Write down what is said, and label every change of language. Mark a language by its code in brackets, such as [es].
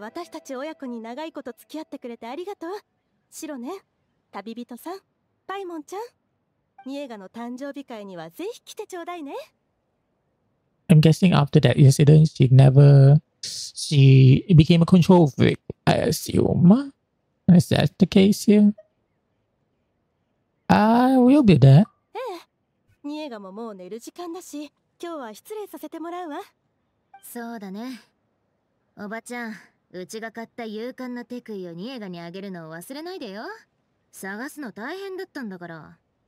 [ja] たち親子に長いこと付き合ってくれてありがとう。シロネ、旅人さん、パイモンちゃん、ニエガの誕生日会にはぜひ来てちょうだいね。 [en] I'm guessing after that incident, she never, she became a control freak, I assume. Is that the case here? I will be there. [ja] ええ、ニエガももう寝る時間だし、今日は失礼させてもらうわ。そうだね。おばちゃん、うちが買った勇敢な手首をニエガにあげるのを忘れないでよ。探すの大変だったんだから。